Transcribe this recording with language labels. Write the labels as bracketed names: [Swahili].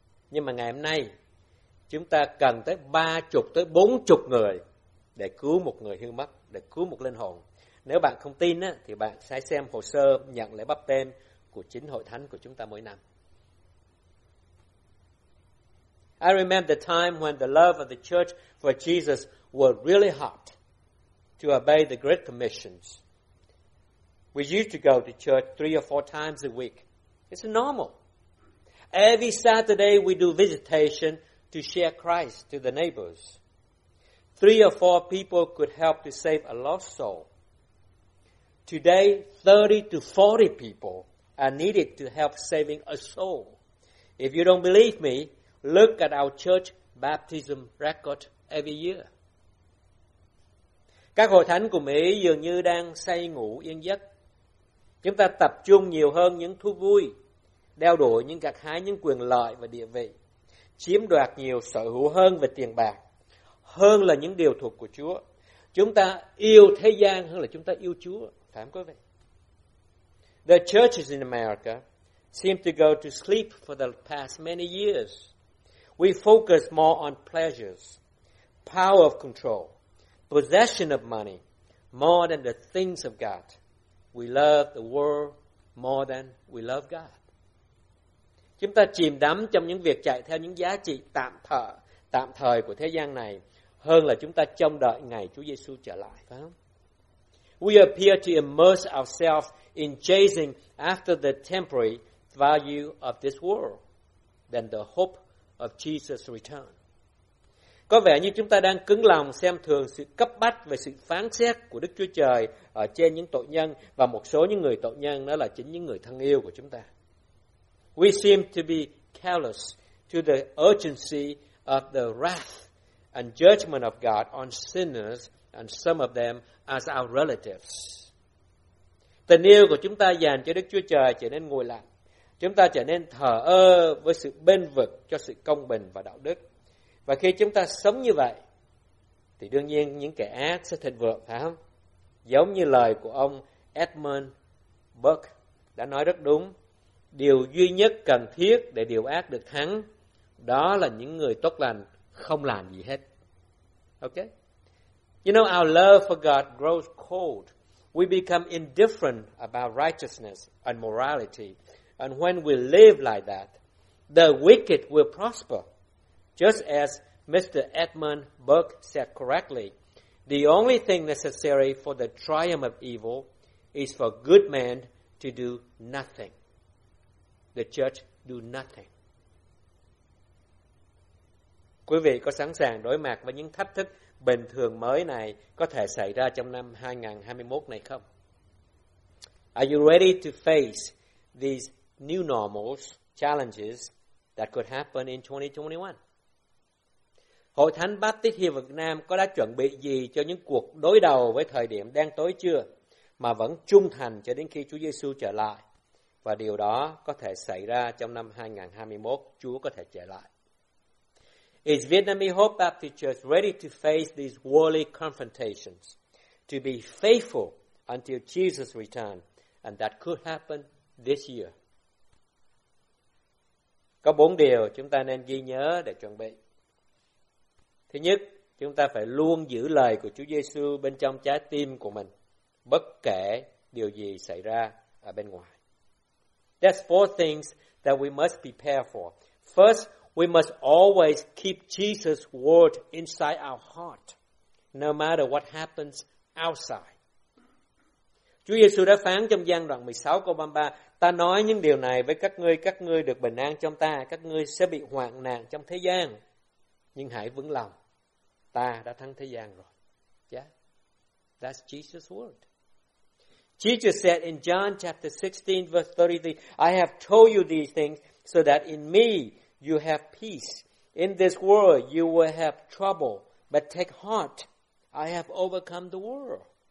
[Vietnamese] Nhưng mà ngày hôm nay, chúng ta cần tới 30-40 người để cứu một người hư mất, để cứu một linh hồn. Nếu bạn không tin á, thì bạn sẽ xem hồ sơ nhận lễ báp têm của chính hội thánh của chúng ta mỗi năm. [English] I remember the time when the love of the church for Jesus was really hot to obey the great commissions. We used to go to church 3 or 4 times a week. It's normal. Every Saturday we do visitation to share Christ to the neighbors. 3 or 4 people could help to save a lost soul. Today, 30 to 40 people are needed to help saving a soul. If you don't believe me, look at our church baptism record every year. [Vietnamese] Các hội thánh của Mỹ dường như đang say ngủ yên giấc. Chúng ta tập trung nhiều hơn những thú vui, đeo đuổi những gặt hái những quyền lợi và địa vị, chiếm đoạt nhiều sở hữu hơn về tiền bạc, hơn là những điều thuộc của Chúa. Chúng ta yêu thế gian hơn là chúng ta yêu Chúa, phải không quý vị? [English] The churches in America seem to go to sleep for the past many years. We focus more on pleasures, power of control, possession of money, more than the things of God. We love the world more than we love God. [Vietnamese] Chúng ta chìm đắm trong những việc chạy theo những giá trị tạm thời của thế gian này hơn là chúng ta trông đợi ngày Chúa Giêsu trở lại, phải không? [English] We appear to immerse ourselves in chasing after the temporary value of this world than the hope of Jesus' return. [Vietnamese] Có vẻ như chúng ta đang cứng lòng xem thường sự cấp bách về sự phán xét của Đức Chúa Trời ở trên những tội nhân và một số những người tội nhân đó là chính những người thân yêu của chúng ta. [English] We seem to be callous to the urgency of the wrath and judgment of God on sinners and some of them as our relatives. [Vietnamese] Tình yêu của chúng ta dành cho Đức Chúa Trời trở nên nguội lạnh. Chúng ta trở nên thờ ơ với sự bênh vực cho sự công bình và đạo đức. Và khi chúng ta sống như vậy, thì đương nhiên những kẻ ác sẽ thịnh vượng, phải không? Giống như lời của ông Edmund Burke đã nói rất đúng. Điều duy nhất cần thiết để điều ác được thắng, đó là những người tốt lành không làm gì hết. [English] Okay? You know, our love for God grows cold. We become indifferent about righteousness and morality. And when we live like that, the wicked will prosper. Just as Mr. Edmund Burke said correctly, the only thing necessary for the triumph of evil is for good men to do nothing. The church do nothing. [Vietnamese] Quý vị có sẵn sàng đối mặt với những thách thức bình thường mới này có thể xảy ra trong năm 2021 này không? [English] Are you ready to face these new normals, challenges that could happen in 2021? [Vietnamese] Hội thánh Baptist Hill Việt Nam có đã chuẩn bị gì cho những cuộc đối đầu với thời điểm đen tối chưa mà vẫn trung thành cho đến khi Chúa Giêsu trở lại? Và điều đó có thể xảy ra trong năm 2021, Chúa có thể trở lại. [English] Is Vietnamese Hope Baptist Church ready to face these worldly confrontations, to be faithful until Jesus returns, and that could happen this year? [Vietnamese] Có bốn điều chúng ta nên ghi nhớ để chuẩn bị. Thứ nhất, chúng ta phải luôn giữ lời của Chúa Giêsu bên trong trái tim của mình, bất kể điều gì xảy ra ở bên ngoài. [English] There's four things that we must prepare for. First, we must always keep Jesus' word inside our heart, no matter what happens outside. [Vietnamese] Chúa Giêsu đã phán trong Giăng đoạn 16 câu 33, ta nói những điều này với các ngươi được bình an trong ta, các ngươi sẽ bị hoạn nạn trong thế gian. Nhưng hãy vững lòng, ta đã thắng thế gian rồi. [English] Yeah. That's Jesus' word. Jesus said in John chapter 16, verse 33, I have told you these things so that in me you have peace. In this world you will have trouble, but take heart, I have overcome the world.